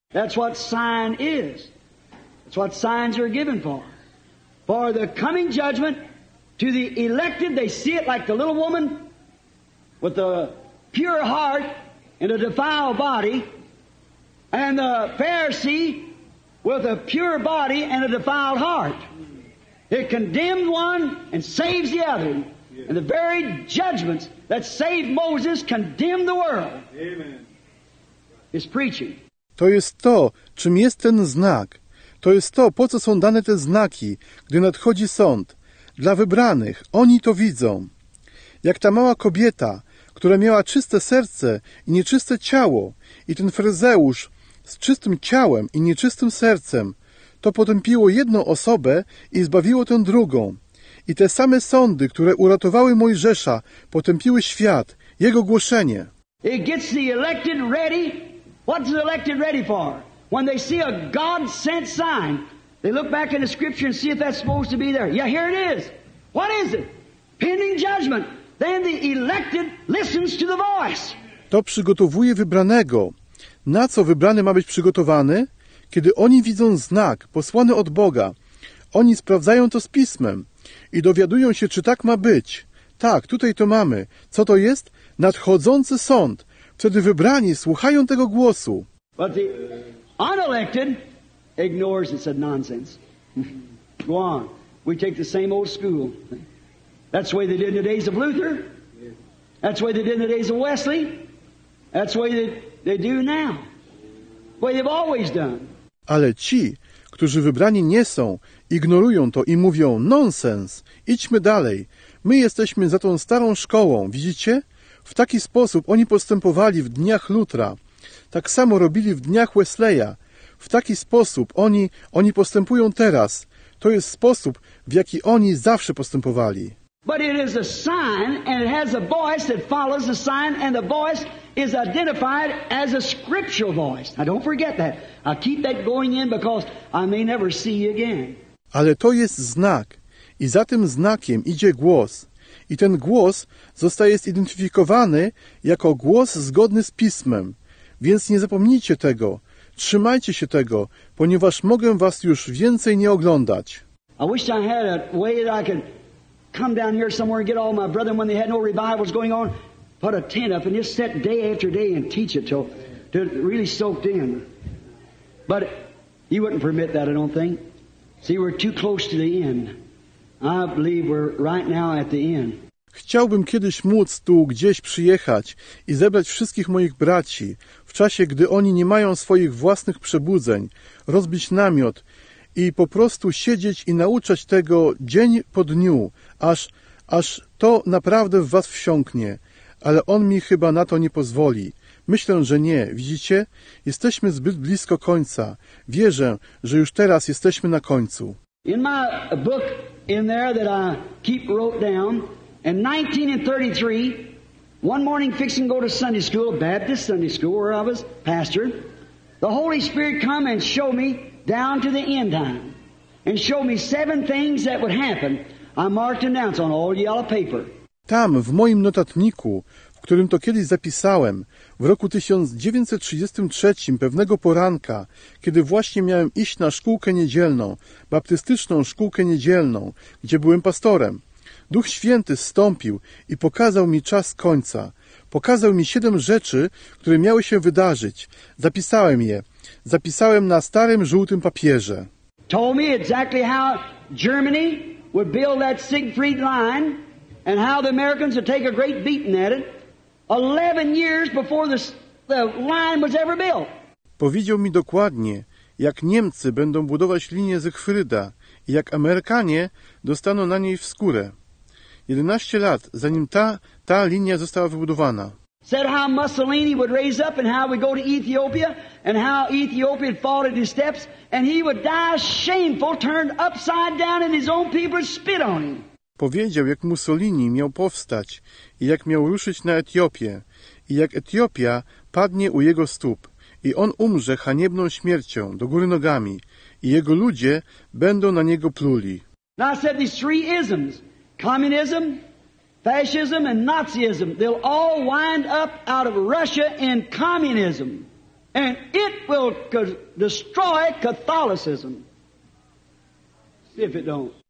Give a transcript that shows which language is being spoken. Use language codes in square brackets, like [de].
[en] That's what sign is. That's what signs are given for. For the coming judgment to the elected, they see it like the little woman with the pure heart and a defiled body, and the Pharisee with a pure body and a defiled heart. It condemned one and saves the other. And the very judgments that saved Moses condemned the world. Amen. It's preaching. [pl] To jest to, czym jest ten znak. To jest to, po co są dane te znaki, gdy nadchodzi sąd. Dla wybranych, oni to widzą. Jak ta mała kobieta, która miała czyste serce i nieczyste ciało, i ten faryzeusz z czystym ciałem i nieczystym sercem, to potępiło jedną osobę i zbawiło tę drugą. I te same sądy, które uratowały Mojżesza, potępiły świat, jego głoszenie. [en] It gets the elected ready. What's the elected ready for? When they see a God-sent sign, they look back in the scripture and see if that's supposed to be there. Yeah, here it is. What is it? Pending judgment. Then the elected listens to the voice. [pl] To przygotowuje wybranego. Na co wybrany ma być przygotowany? Kiedy oni widzą znak posłany od Boga, oni sprawdzają to z Pismem i dowiadują się, czy tak ma być. Tak, tutaj to mamy. Co to jest? Nadchodzący sąd. Wtedy wybrani słuchają tego głosu. [en] But the unelected ignores it, said nonsense. Go on. We take the same old school. That's the way they did in the days of Luther. That's the way they did in the days of Wesley. That's the way they do now. What they've always done. [pl] Ale ci, którzy wybrani nie są, ignorują to i mówią nonsens. Idźmy dalej. My jesteśmy za tą starą szkołą, widzicie? W taki sposób oni postępowali w dniach Lutra. Tak samo robili w dniach Wesleya. W taki sposób oni postępują teraz. To jest sposób, w jaki oni zawsze postępowali. [en] But it is a sign and it has a voice that follows the sign and the voice is identified as a scriptural voice. Now don't forget that. I keep that going in because I may never see you again. [pl] Ale to jest znak i za tym znakiem idzie głos. I ten głos zostaje zidentyfikowany jako głos zgodny z Pismem. Więc nie zapomnijcie tego. Trzymajcie się tego, ponieważ mogę was już więcej nie oglądać. [en] I wish I had a way that I could come down here somewhere and get all my brethren when they had no revivals going on, put a tent up and just set day after day and teach it till it really soaked in. But he wouldn't permit that, I don't think. See, we're too close to the end. I believe we're right now at the end. [pl] Chciałbym kiedyś móc tu gdzieś przyjechać i zebrać wszystkich moich braci w czasie, gdy oni nie mają swoich własnych przebudzeń, rozbić namiot i po prostu siedzieć i nauczać tego dzień po dniu, aż to naprawdę w was wsiąknie. Ale on mi chyba na to nie pozwoli. Myślę, że nie. Widzicie? Jesteśmy zbyt blisko końca. Wierzę, że już teraz jesteśmy na końcu. [en] In my book in there that I keep wrote down, in 1933, one morning fixing to go to Sunday school, Baptist Sunday school, where I was pastor, the Holy Spirit come and show me down to the end time and show me seven things that would happen. I marked and announced on all yellow paper. [pl] Tam, w moim notatniku, w którym to kiedyś zapisałem, w roku 1933, pewnego poranka, kiedy właśnie miałem iść na szkółkę niedzielną, baptystyczną szkółkę niedzielną, gdzie byłem pastorem, Duch Święty zstąpił i pokazał mi czas końca. Pokazał mi 7 rzeczy, które miały się wydarzyć. Zapisałem je. Zapisałem na starym żółtym papierze. [en] Told me exactly how Germany would build that Siegfried line and how the Americans would take a great beating at it 11 years before the line was ever built. [pl] Powiedział mi dokładnie, jak Niemcy będą budować linię Siegfrieda i jak Amerykanie dostaną na niej wskórę. 11 lat, zanim ta linia została wybudowana. [en] Said how Mussolini would raise up and how we go to Ethiopia and how Ethiopia had fallen at his steps and he would die shameful, turned upside down and his own people spit on him. [pl] Powiedział, jak Mussolini miał powstać i jak miał ruszyć na Etiopię i jak Etiopia padnie u jego stóp i on umrze haniebną śmiercią do góry nogami i jego ludzie będą na niego pluli. [en] Now I said these three isms, communism, fascism and Nazism, they'll all wind up out of Russia in communism, and it will destroy Catholicism, if it don't.